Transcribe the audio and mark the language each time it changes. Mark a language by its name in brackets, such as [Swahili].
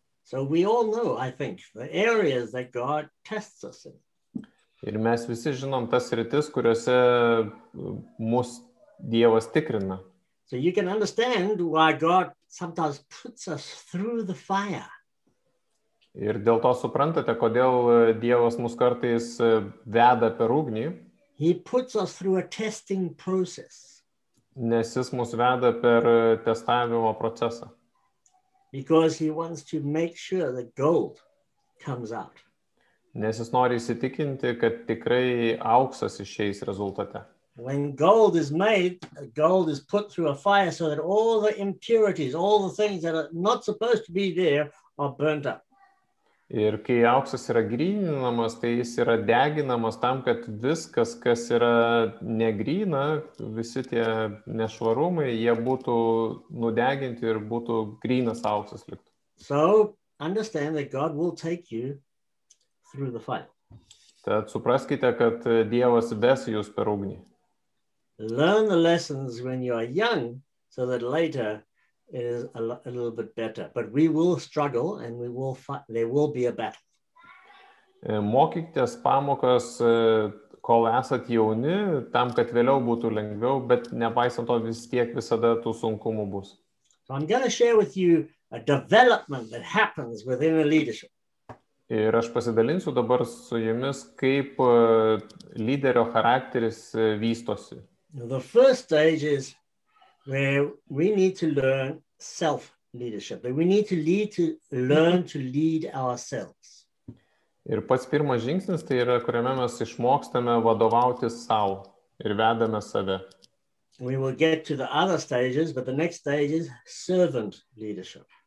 [English] So we all know, I think, the areas that God tests us in. [Lithuanian] Ir mes visi žinom tas rytis, kuriuose mus Dievas tikrina. [English] So you can understand why God sometimes puts us through the fire. [Lithuanian] Ir dėl to suprantate, kodėl Dievas mus kartais veda per ugnį. [English] He puts us through a testing process. [Lithuanian] Nes jis mus veda per testavimo procesą. [English] Because he wants to make sure that gold comes out. [Lithuanian] Nes jis nori įsitikinti, kad tikrai auksas išeis rezultate. [English] When gold is made, gold is put through a fire so that all the impurities, all the things that are not supposed to be there are burnt up. [Lithuanian] Ir kai auksas yra gryninamas, tai jis yra deginamas tam, kad viskas, kas yra negryna, visi tie nešvarumai, jie būtų nudeginti ir būtų grynas auksas liktų. [English] So, understand that God will take you through the fire. [Lithuanian] Tad supraskite, kad Dievas ves jūs per ugnį. [English] Learn the lessons when you are young, so that later is a little bit better, but we will struggle and we will fight. There will be a battle. [Lithuanian] Mokykitės pamokas, kol esat jauni, tam, kad vėliau būtų lengviau, bet nepaisant to vis tiek visada tų sunkumų bus. [English] So I'm going to share with you a development that happens within a leadership. [Lithuanian] Ir aš pasidalinsiu dabar su jumis, kaip lyderio charakteris vystosi. [English] The first stage is where we need to learn self-leadership, that we need to learn to lead ourselves. [Lithuanian] Ir pats pirmas žingsnis tai yra, kuriame mes išmokstame vadovauti sau ir vedame save. [English] We will get to the other stages, but the next stage is servant leadership.